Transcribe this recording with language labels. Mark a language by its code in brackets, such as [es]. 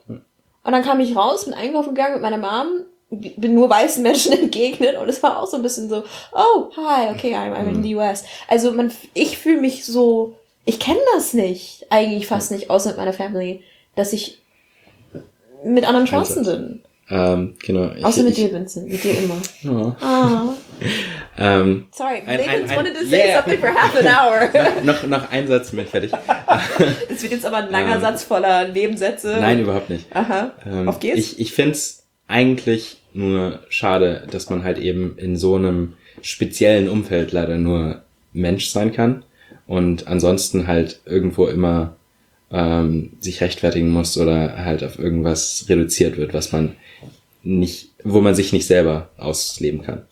[de] Und dann kam ich raus, bin einkaufen gegangen mit meiner Mom, bin nur weißen Menschen entgegnet. Und es war auch so ein bisschen so, [en] oh, hi, okay, I'm in the US. [de] Also ich fühle mich so, ich kenne das nicht, eigentlich fast nicht, außer mit meiner Family, dass ich mit anderen Chancen bin. Genau. Außer mit dir, Vincent. Mit dir immer. [en] Sorry, Vincent wanted to say something for half an hour. [de] Noch ein Satz, bin ich fertig. Das wird jetzt aber ein langer Satz voller Nebensätze. Nein, überhaupt nicht. Auf geht's. Ich finde es eigentlich nur schade, dass man halt eben in so einem speziellen Umfeld leider nur Mensch sein kann und ansonsten halt irgendwo immer sich rechtfertigen muss oder halt auf irgendwas reduziert wird, was man nicht, wo man sich nicht selber ausleben kann.